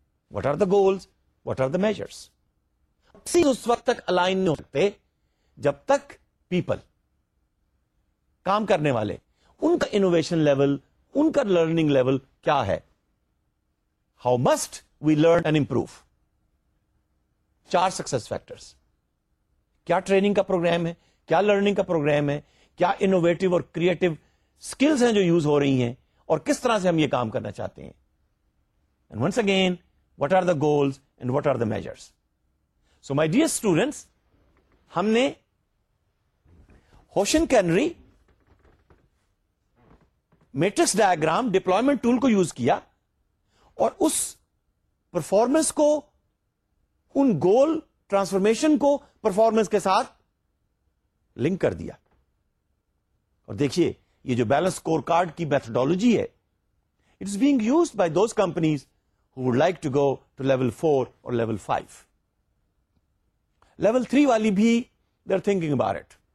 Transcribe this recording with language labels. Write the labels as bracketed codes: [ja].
[en] What are the goals, what are the measures. [ur] Processes اس وقت تک align نہیں ہو سکتے جب تک people, کام کرنے والے, ان کا انوویشن لیول, ان کا لرننگ لیول کیا ہے. [en] How must we learn and improve. [ur] چار سکسس فیکٹرز, کیا ٹریننگ کا پروگرام ہے, کیا لرننگ کا پروگرام ہے, کیا انوویٹو اور کریٹو سکلز ہیں جو یوز ہو رہی ہیں, اور کس طرح سے ہم یہ کام کرنا چاہتے ہیں. [en] And once again, what are the goals and what are the measures. So my dear students, [ur] ہم نے ہوشن کینری میٹرکس ڈائگرام ڈپلائمنٹ ٹول کو یوز کیا اور اس پرفارمنس کو, ان گول ٹرانسفارمیشن کو پرفارمنس کے ساتھ لنک کر دیا. اور دیکھیے یہ جو بیلنس اسکور کارڈ کی میتھڈالوجی ہے, [en] It is being used by those companies who would like to go to level 4 اور level 5. Level 3 [ur] والی بھی [en] They are thinking about it.